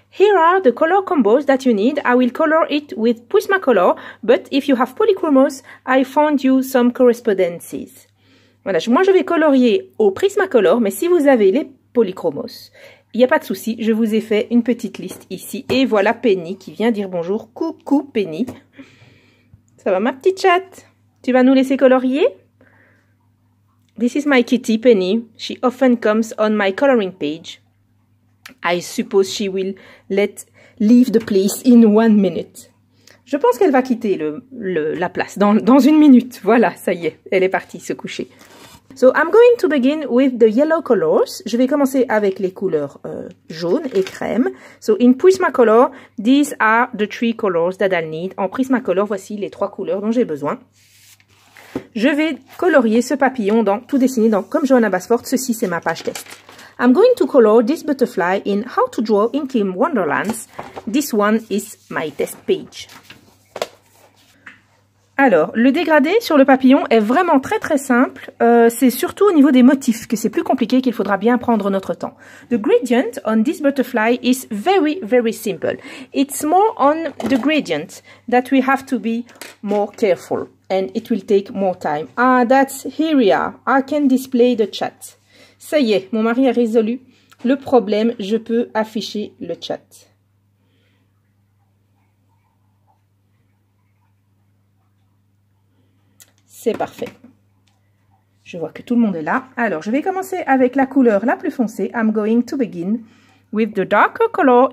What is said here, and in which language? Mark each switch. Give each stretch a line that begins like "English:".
English: Here are the color combos that you need. I will color it with Prismacolor, but if you have polychromos, I found you some correspondences.
French: Voilà, moi je vais colorier au Prismacolor, mais si vous avez les polychromos, il n'y a pas de souci, je vous ai fait une petite liste ici. Et voilà Penny qui vient dire bonjour. Coucou Penny. Ça va ma petite chatte? Tu vas nous laisser colorier?
English: This is my kitty Penny. She often comes on my coloring page. I suppose she will leave the place in 1 minute.
French: Je pense qu'elle va quitter la place dans 1 minute. Voilà, ça y est, elle est partie se coucher.
English: So I'm going to begin with the yellow colors.
French: Je vais commencer avec les couleurs jaune et crème.
English: So in Prismacolor, these are the 3 colors that I need.
French: En Prismacolor, voici les 3 couleurs dont j'ai besoin. Je vais colorier ce papillon dans tout dessiné dans comme Johanna Basford. Ceci c'est ma page test.
English: I'm going to color this butterfly in How to Draw in Kim Wonderlands. This one is my test page.
French: Alors, le dégradé sur le papillon est vraiment très très simple. C'est surtout au niveau des motifs que c'est plus compliqué, qu'il faudra bien prendre notre temps.
English: The gradient on this butterfly is very very simple. It's more on the gradient that we have to be more careful and it will take more time. Ah, that's here we are. I can display the chat.
French: Ça y est, mon mari a résolu le problème. Je peux afficher le chat. C'est parfait. Je vois que tout le monde est là. Alors, je vais commencer avec la couleur la plus foncée.
English: I'm going to begin with the darker color.